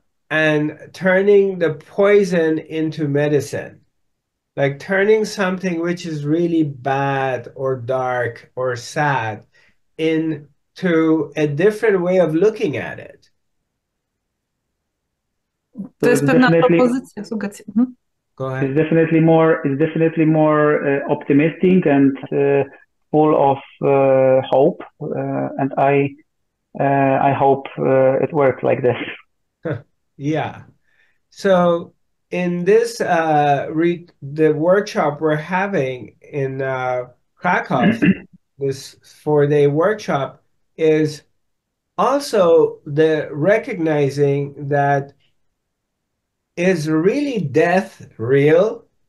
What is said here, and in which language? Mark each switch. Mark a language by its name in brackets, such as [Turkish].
[English] And turning the poison into medicine, like turning something which is really bad or dark or sad into a different way of looking at it. [Polish] To jest pewna propozycja, sugestia. [English] Go ahead. It's definitely more optimistic and full of hope, and I hope it works like this. Yeah. So in this the workshop we're having in Krakow, this 4-day workshop is also the recognizing that is really death real?